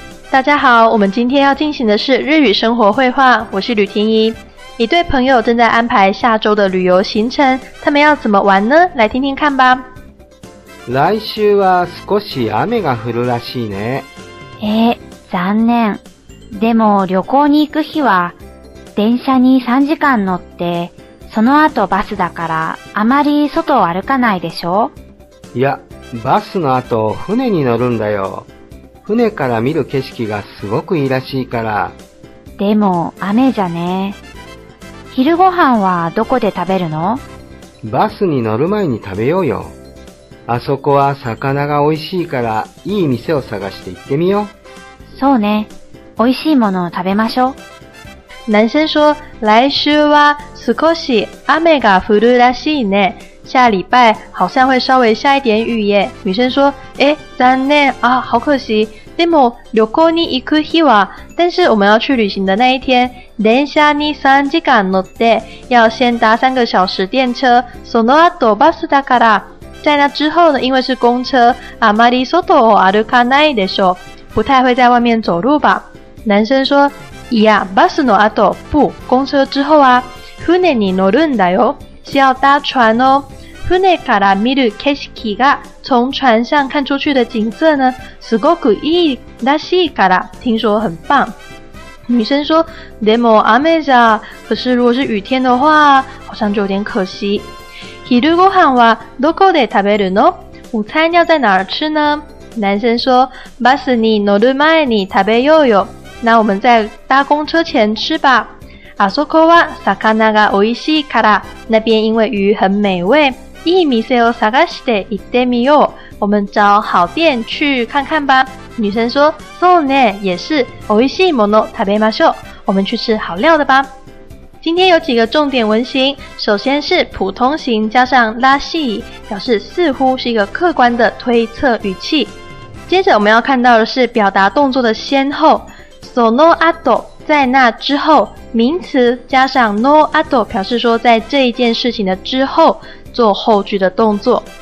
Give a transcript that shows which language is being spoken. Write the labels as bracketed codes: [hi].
[zh] 大家好，我们今天要进行的是日语生活绘画，我是吕婷宜。一对朋友正在安排下周的旅游行程，他们要怎么玩呢？来听听看吧。 [ja] 来週は少し雨が降るらしいね。残念。でも旅行に行く日は電車に3時間乗って、その後バスだからあまり外を歩かないでしょ？いや、バスの後船に乗るんだよ。船から見る景色がすごくいいらしいから。でも雨じゃね。昼ご飯はどこで食べるの？バスに乗る前に食べようよ。あそこは魚がおいしいからいい店を探して行ってみよう。そうね。おいしいものを食べましょう。 [zh] 男生说：“ [ja] 来週は少し雨が降るらしいね。 [zh] 下礼拜好像会稍微下一点雨耶。” 女生说：“残念啊，好可惜。 [ja] でも旅行に行く日は， [zh] 但是我们要去旅行的那一天， [ja] 電車に三時間乗って， [zh] 要先搭三个小时电车。 [ja] その後バスだから。” [zh] 在那之后呢，因为是公车， [ja] あまり外を歩かないでしょう， [zh] 不太会在外面走路吧。男生说， [ja] いや、バスの後、 [zh] 不，公车之后啊。 [ja] 船に乗るんだよ， [zh] 是要搭船哦。 [ja] 船から見る景色が， [zh] 从船上看出去的景色呢， [ja] すごくいいらしいから， [zh] 听说很棒。女生说， [ja] でも雨じゃ， [zh] 可是如果是雨天的话，好像就有点可惜。 [ja] 昼ご飯はどこで食べるの？ [zh] 午餐要在哪儿吃呢？男生说： [ja] バスに乗る前に食べようよ。 [zh] 那我们在搭公车前吃吧。 [ja] あそこは魚がおいしいから。 [zh] 那边因为鱼很美味。 [ja] いい店を探して行ってみよう。 [zh] 我们找好店去看看吧。女生说： [ja] そうね、 [zh] 也是。 [ja] おいしいもの食べましょう。 [zh] 我们去吃好料的吧。今天有几个重点文型，首先是普通型加上らしい，表示似乎是一个客观的推测语气。接着我们要看到的是表达动作的先后，そのあと，在那之后，名词加上のあと，表示说在这一件事情的之后，做后句的动作。